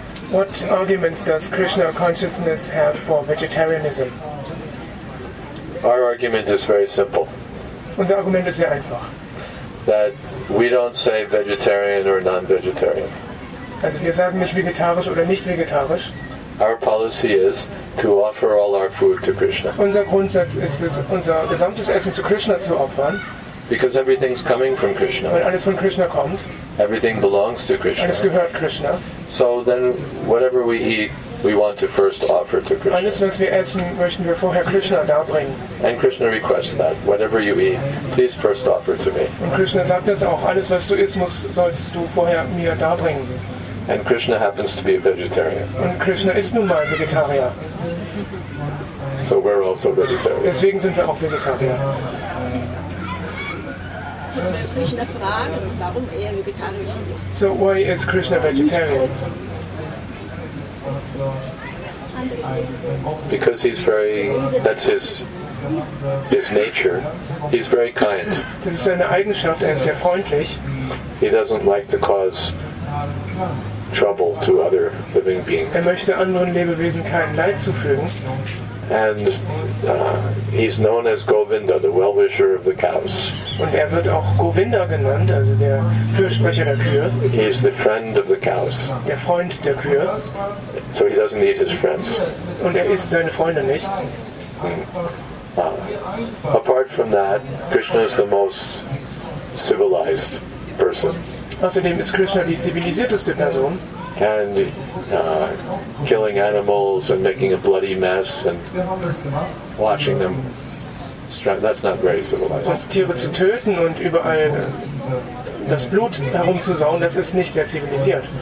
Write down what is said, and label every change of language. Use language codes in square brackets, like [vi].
[en] What arguments does Krishna consciousness have for vegetarianism? Our argument is very simple. [de] Unser Argument ist sehr einfach. [en] That we don't say vegetarian or non-vegetarian. [de] Also wir sagen nicht vegetarisch oder nicht vegetarisch. [en] Our policy is to offer all our food to Krishna. [de] Unser Grundsatz ist es, unser gesamtes Essen zu Krishna zu opfern. [en] Because everything's coming from Krishna. [de] Weil alles von Krishna kommt. [en] Everything belongs to Krishna. [de] Alles gehört Krishna. [en] So then, whatever we eat, we want to first offer to Krishna. [de] Alles, was wir essen, möchten wir vorher Krishna darbringen. [en] And Krishna requests that, whatever you eat, please first offer to me. [de] Und Krishna sagt das auch, alles, was du isst, solltest du vorher mir darbringen. [en] And Krishna happens to be a vegetarian. [de] Und Krishna ist nun mal Vegetarier. [en] So we're also vegetarian. [de] Deswegen sind wir auch Vegetarier. [en] So why is Krishna vegetarian? Because that's his nature. He's very kind. [de] Das ist seine Eigenschaft, er ist sehr freundlich. [en] He doesn't like to cause trouble to other living beings. [de] Er möchte anderen Lebewesen kein Leid zufügen. [en] And he's known as Govinda, the well-wisher of the cows. [de] Und er wird auch Govinda genannt, also der Fürsprecher der Kühe. [en] He is the friend of the cows. [de] Der Freund der Kühe. [en] So he doesn't eat his friends. [de] Und er isst seine Freunde nicht. [en] Apart from that, Krishna is the most civilized person. [de] Außerdem ist Krishna die zivilisierteste Person. [en] And killing animals and making a bloody mess and watching them that's not very civilized. [de] Und Tiere zu töten und überall das Blut herumzusauen, das ist nicht sehr zivilisiert.